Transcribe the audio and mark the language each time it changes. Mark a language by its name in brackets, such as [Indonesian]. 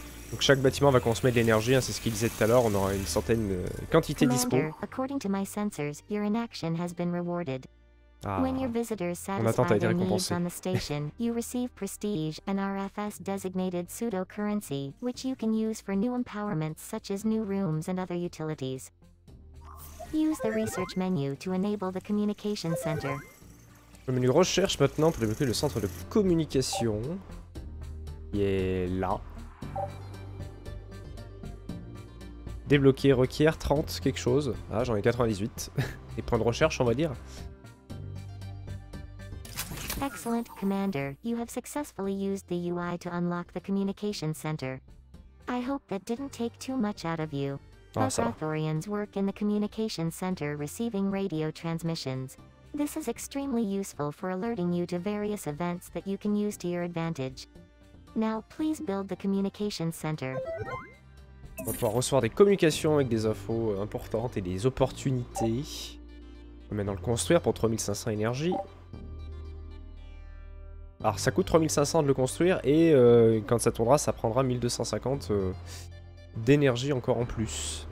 [French] Donc chaque bâtiment va consommer de l'énergie, hein, c'est ce qu'il disait tout à l'heure, on aura une certaine quantité dispo. [English] According to my sensors, your inaction has been rewarded. Ah. When your visitors satisfy their needs on the station, you receive prestige, an RFS designated pseudo-currency, which you can use for new empowerments such as new rooms and other utilities. Use the research menu to enable the communication center. [French] Le menu recherche maintenant pour débloquer le centre de communication. Il est là. Débloquer requiert 30 quelque chose. Ah, j'en ai 98. Des points de recherche, on va dire. [English] Excellent, Commander. You have successfully used the UI to unlock the communication center. I hope that didn't take too much out of you. Both Arthurians work in the communication center receiving radio transmissions. This is extremely useful for alerting you to various events that you can use to your advantage. Now, please build the communication center. [French] On va pouvoir recevoir des communications avec des infos importantes et des opportunités. On va maintenant le construire pour 3500 énergie. Alors ça coûte 3500 de le construire et quand ça tombera, ça prendra 1250 d'énergie encore en plus.